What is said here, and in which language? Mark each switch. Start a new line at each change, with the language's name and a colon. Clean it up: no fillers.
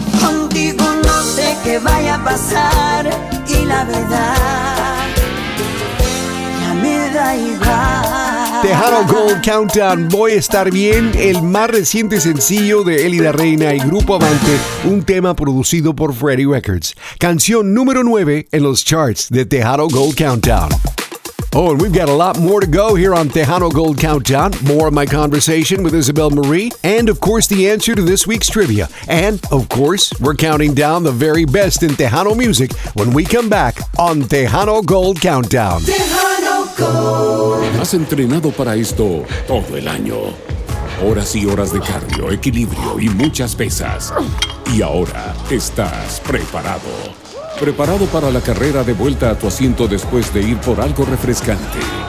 Spanish: Contigo no sé qué vaya a pasar, y la verdad ya me da igual. Tejano Gold Countdown, Voy a Estar Bien, el más reciente sencillo de Elida Reina y Grupo Avante, un tema producido por Freddy Records. Canción número 9 en los charts de Tejano Gold Countdown.
English: Oh, and we've got a lot more to go here on Tejano Gold Countdown. More of my conversation with Isabel Marie, and of course the answer to this week's trivia. And of course, we're counting down the very best in Tejano music when we come back on Tejano Gold Countdown.
Spanish: Has entrenado para esto todo el año. Horas y horas de cardio, equilibrio y muchas pesas. Y ahora estás preparado. Preparado para la carrera de vuelta a tu asiento después de ir por algo refrescante.